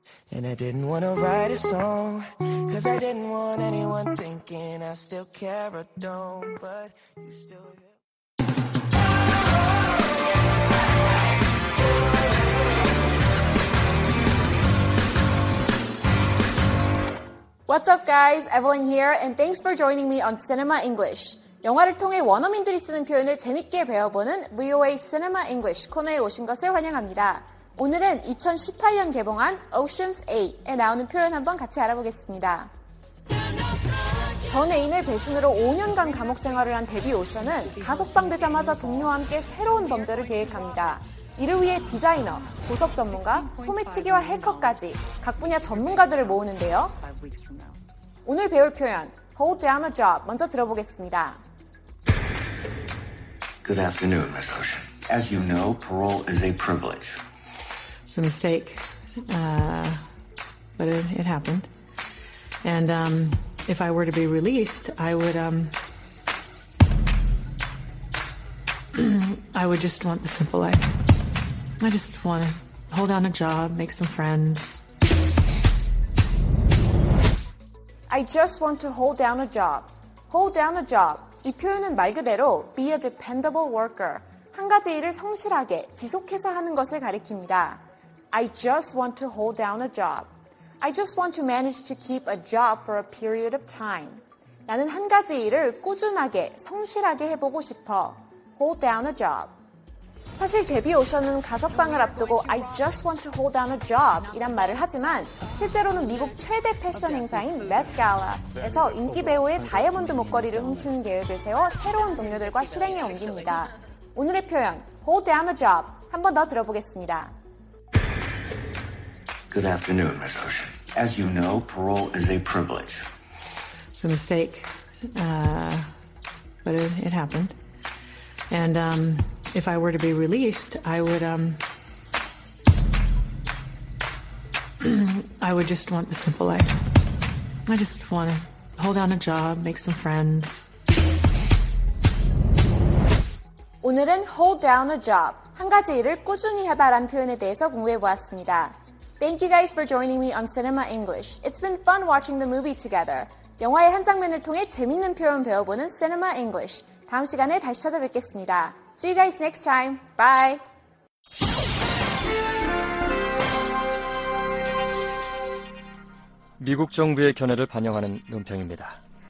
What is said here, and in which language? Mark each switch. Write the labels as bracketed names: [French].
[English] And I didn't want to write a song, 'cause I didn't want anyone thinking I still care or don't, but you still... What's up, guys? Evelyn here, and thanks for joining me on Cinema English. [Korean] 영화를 통해 원어민들이 쓰는 표현을 재밌게 배워보는 VOA Cinema English 코너에 오신 것을 환영합니다. 오늘은 2018년 개봉한 Ocean's 8에 나오는 표현 한번 같이 알아보겠습니다. 전 애인의 배신으로 5년간 감옥 생활을 한 데뷔 오션은 가석방 되자마자 동료와 함께 새로운 범죄를 계획합니다. 이를 위해 디자이너, 보석 전문가, 소매치기와 해커까지 각 분야 전문가들을 모으는데요. 오늘 배울 표현, [English] hold down a job, [Korean] 먼저 들어보겠습니다. [English] Good afternoon, Miss Ocean. As you know, parole is a privilege. It's a mistake, but it happened. And if I were to be released, I would just want the simple life. I just want to hold down a job, make some friends. I just want to hold down a job. Hold down a job. [Korean] 이 표현은 말 그대로 [English] be a dependable worker. [Korean] 한 가지 일을 성실하게 지속해서 하는 것을 가리킵니다. [English] I just want to hold down a job. I just want to manage to keep a job for a period of time. [Korean] 나는 한 가지 일을 꾸준하게, 성실하게 해보고 싶어. [English] Hold down a job. [Korean] 사실 데뷔 오션은 가석방을 앞두고 [English] I just want to hold down a job [Korean] 이란 말을 하지만 실제로는 미국 최대 패션 행사인 Met Gala에서 인기 배우의 다이아몬드 목걸이를 훔치는 계획을 세워 새로운 동료들과 실행에 옮깁니다. 오늘의 표현 [English] hold down a job [Korean] 한 번 더 들어보겠습니다. [English] Good afternoon, Miss Ocean. As you know, parole is a privilege. It's a mistake, but it happened. And if I were to be released, I would just want the simple life. I just want to hold down a job, make some friends. [Korean] 오늘은 [English] hold down a job, [Korean] 한 가지 일을 꾸준히 하다라는 표현에 대해서 공부해 보았습니다. [English] Thank you guys for joining me on Cinema English. It's been fun watching the movie together. [Korean] 영화의 한 장면을 통해 재밌는 표현 배워보는 Cinema English. 다음 시간에 다시 찾아뵙겠습니다. [English] See you guys next time. Bye. [Korean] ...미국 정부의 견해를 반영하는 논평입니다.